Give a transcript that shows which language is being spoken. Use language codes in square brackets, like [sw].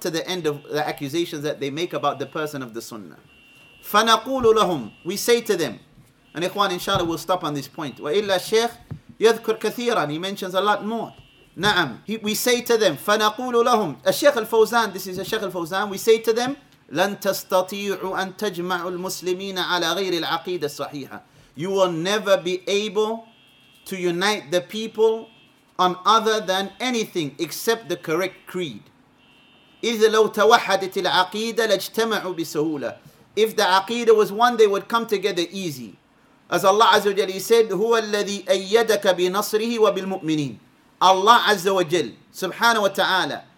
[en] To the end of the accusations that they make about the person of the Sunnah. [ar] فنقول لهم. [en] We say to them. And Ikhwan, inshallah, we'll stop on this point. [ar] وإلا الشيخ يذكر كثيرا. [en] He mentions a lot more. [ar] نعم. [en] We say to them. [ar] فنقول لهم. الشيخ الفوزان. [en] This is الشيخ الفوزان. We say to them. [ar] لن تستطيعوا أن تجمعوا المسلمين على غير العقيدة الصحيحة. [en] You will never be able to unite the people on other than anything except the correct creed. [ar] إِذَ لَوْ تَوَحَّدِتِ الْعَقِيدَ لَاجْتَمَعُوا بِسَهُولَةِ. [en] If the aqeedah was one, they would come together easy. As Allah Azza wa Jalla said, [ar] هُوَ الَّذِي أَيَّدَكَ بِنَصْرِهِ وَبِالْمُؤْمِنِينَ. [en] Allah Azza wa Jalla, Subhanahu wa Ta'ala,